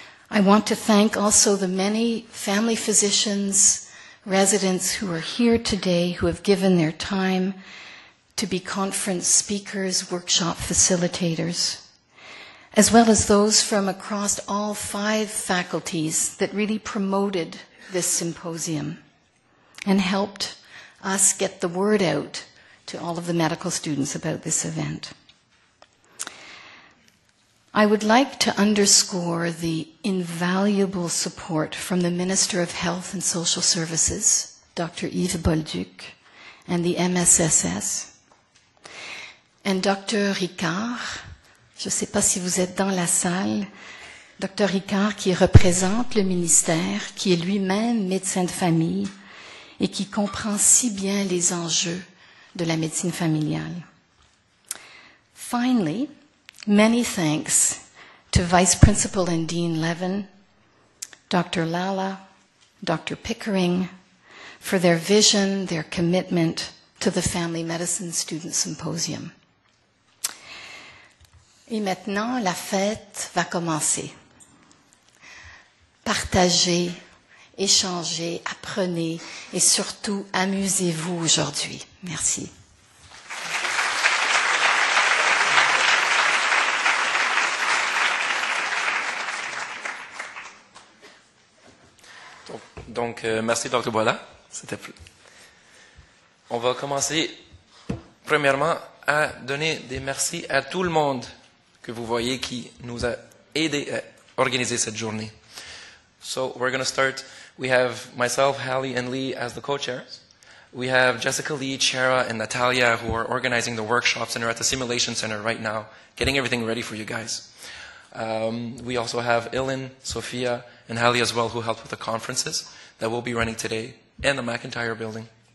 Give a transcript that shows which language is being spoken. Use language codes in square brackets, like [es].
[en] I want to thank also the many family physicians, residents who are here today, who have given their time to be conference speakers, workshop facilitators, as well as those from across all five faculties that really promoted this symposium and helped us get the word out to all of the medical students about this event. I would like to underscore the invaluable support from the Minister of Health and Social Services, Dr. Yves Bolduc, and the MSSS, and Dr. [fr] Ricard, je ne sais pas si vous êtes dans la salle, Dr. Ricard qui représente le ministère, qui est lui-même médecin de famille et qui comprend si bien les enjeux de la médecine familiale. [en] Finally, many thanks to Vice Principal and Dean Levin, Dr. Lala, Dr. Pickering, for their vision, their commitment to the Family Medicine Student Symposium. [fr] Et maintenant, la fête va commencer. Partagez, échangez, apprenez et surtout amusez-vous aujourd'hui. Merci. Donc, merci Dr. Boila. C'était plus. On va commencer premièrement à donner des merci à tout le monde que vous voyez qui nous a aidé à organiser cette journée. [en] So, we're going to start. We have myself, Hallie, and Lee as the co-chairs. We have Jessica Lee, Chera, and Natalia who are organizing the workshop center at the simulation center right now, getting everything ready for you guys. We also have Ilan, Sophia, and Hallie as well, who helped with the conferences that we'll be running today in the McIntyre building.